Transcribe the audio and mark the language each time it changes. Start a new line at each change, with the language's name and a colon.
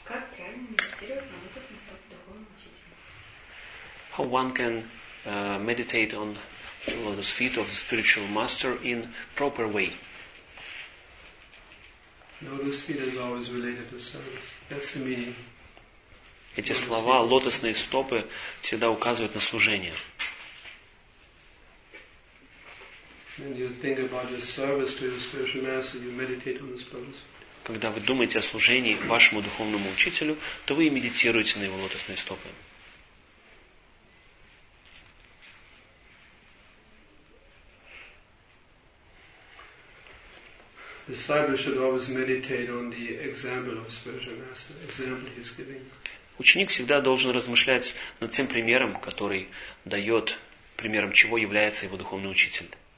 Russian: Как правильно медитировать на лотосный стоп духовного учителя?
English: How one can meditate on the lotus feet of the spiritual master in proper way. Lotus feet is always related to service. That's the meaning.
Russian: Эти слова, лотосные стопы, всегда указывают на служение.
English: When you think about your service to your spiritual master, you meditate on his lotus feet.
Russian: Когда вы думаете о служении вашему духовному учителю, то вы и медитируете на его лотосные стопы.
English: Disciple should always meditate on the example of spiritual master, example he's giving.
Russian: Ученик всегда должен размышлять над тем примером, который дает, примером чего является его духовный учитель.